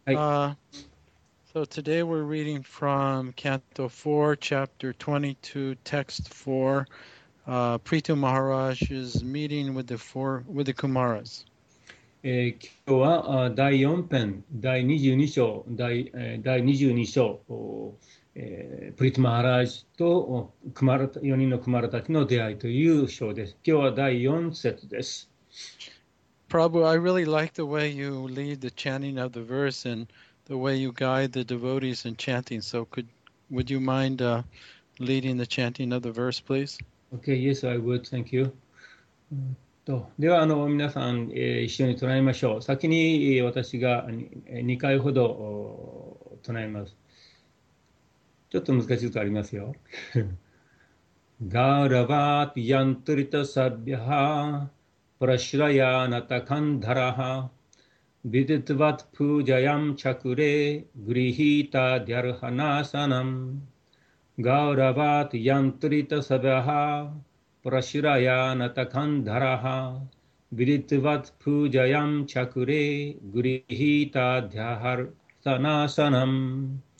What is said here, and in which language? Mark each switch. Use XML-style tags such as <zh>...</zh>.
<en>So today we're reading from Canto 4, Chapter 22, Text 4, Prithu Maharaj's meeting with the four with the Kumaras.</en> <ja>今日は第4編第22章 第22章、プリティマハラージとクマラ4人のクマラたちの出会いという章です。今日は第4節です。</ja> <en>プラブ、I really like the way you lead the chanting of the verse and the way you guide the devotees in chanting. So would you mind leading the chanting of the verse, please? Okay, yes, I would. Thank you.</en> <ja>では皆さん、一緒に唱えましょう。先に私が 2回ほど唱えます。ちょっと難しいことありますよ。</ja> <sa>ガラバピヤントリタサビハプラシュラヤナタカンダラハビディトゥバトプジャヤムチャクレグリヒタディアルハナサナムガラバピヤントリタサビハPrashiraya natakandharaha viditvat pujayam chakure grihita dhyahar sanasanam.</sa>